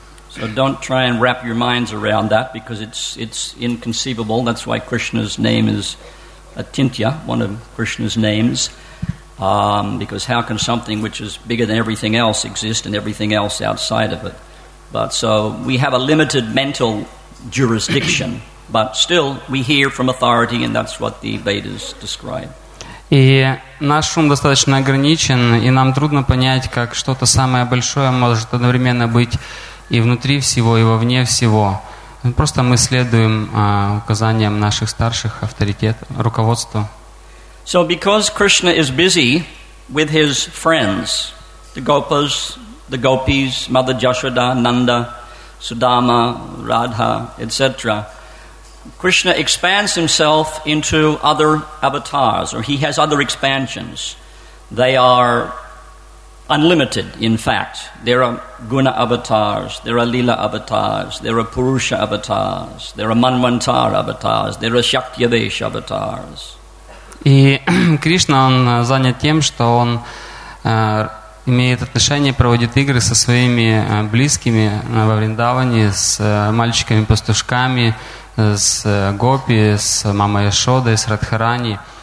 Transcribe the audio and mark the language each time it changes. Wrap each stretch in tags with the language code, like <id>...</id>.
<en>So don't try and wrap your minds around that, because it's inconceivable. That's why Krishna's name is Atintya, one of Krishna's names. Because how can something which is bigger than everything else exist and everything else outside of it? But so we have a limited mental jurisdiction, but still we hear from authority, and that's what the Vedas describe.</en> <ru>И наш ум достаточно ограничен, и нам трудно понять, как что-то самое большое может одновременно быть и внутри всего, и вовне всего. Просто мы следуем указаниям наших старших авторитетов, руководства.</ru> <en>So because Krishna is busy with his friends, the gopas, the gopis, Mother Yashoda, Nanda, Sudama, Radha, etc., Krishna expands himself into other avatars, or he has other expansions. They are unlimited, in fact. There are guna avatars, there are lila avatars, there are purusha avatars, there are manvantara avatars, there are shaktyavesha avatars.</en> <ru>И Кришна, он занят тем, что он имеет отношение, проводит игры со своими близкими во Вриндаване, с мальчиками-пастушками, с гопи, с мамой Яшодой, с Радхарани.</ru>